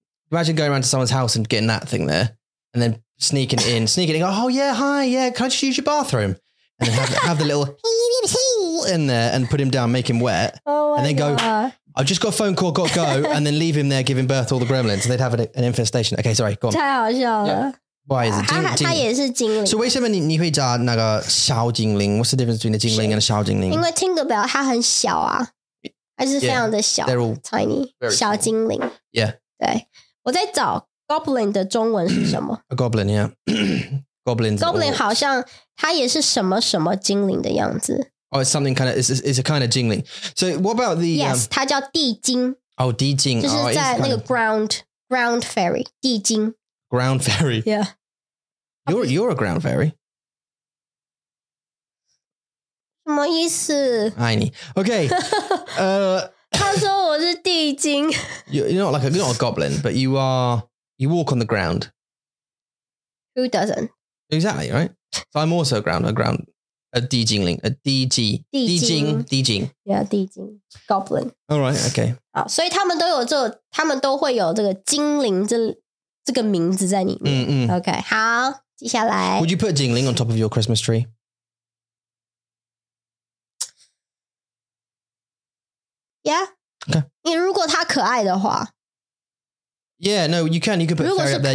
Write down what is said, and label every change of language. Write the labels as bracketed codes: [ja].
[en] Imagine going around to someone's house and getting that thing there, and then sneaking in, oh yeah, hi, yeah, can I just use your bathroom? And have the little in there and put him down, make him wet. Oh, my And then go, God. I've just got a phone call, got to go. And then leave him there, giving birth to all the gremlins. And they'd have an infestation. Okay, sorry, go on. [zh] 太好笑了。 [en] Why is it 精灵？ [zh] 它也是精灵。 So 为什么你会加那个小精灵？ [en] What's the difference between the 精灵 and the 小精灵？ [zh] 因为 Tinkerbell 它很小啊。它是非常的小。 [en] They're all tiny. 小精灵。 Yeah. [zh] 对。我在找 goblin 的中文是什么 [en] ?A goblin, yeah. Goblin [zh] 好像它也是什么什么精灵的样子。 [en] Oh, it's something kind of, it's a kind of 精灵。 So what about the... [zh] Yes, 它叫地精。哦、oh, 地精。就是在那个 ground fairy, 地精。 [en] Ground fairy? Yeah. You're a ground fairy. [zh] 什么意思？爱你。Okay. 他说我是地精。 [en] You're not a goblin, but you are, you walk on the ground. Who doesn't? Exactly, right? So I'm also a ground, a 地精灵 a DG, [zh] 地精地精 [en] Yeah, 地精 goblin. All right, okay. [zh] 好所以他们都会有这个精灵这个名字在里面。嗯嗯 Okay, 好接下来。 [en] Would you put 精灵 on top of your Christmas tree? [zh] 你如果他可爱的话 [en] Yeah, no, you can. You can put fairy up there.